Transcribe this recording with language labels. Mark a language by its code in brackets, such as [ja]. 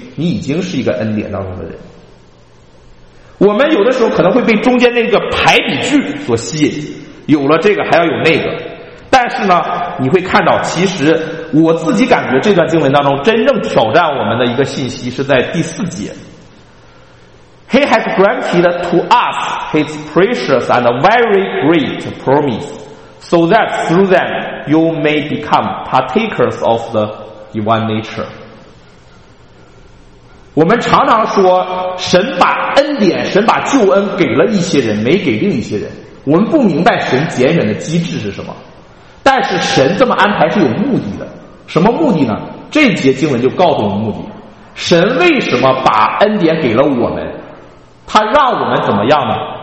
[zh] 你已经是一个恩典当中的人。我们有的时候可能会被中间那个排比句所吸引，有了这个还要有那个。但是呢，你会看到，其实我自己感觉这段经文当中真正挑战我们的一个信息是在第4节。 [en] He has granted to us his precious and very great promise, so that through them you may become partakers of the divine nature. [zh] 我们常常说神把恩典神把救恩给了一些人没给另一些人，我们不明白神拣选的机制是什么，但是神这么安排是有目的的。什么目的呢？这节经文就告诉我们目的，神为什么把恩典给了我们，他让我们怎么样呢？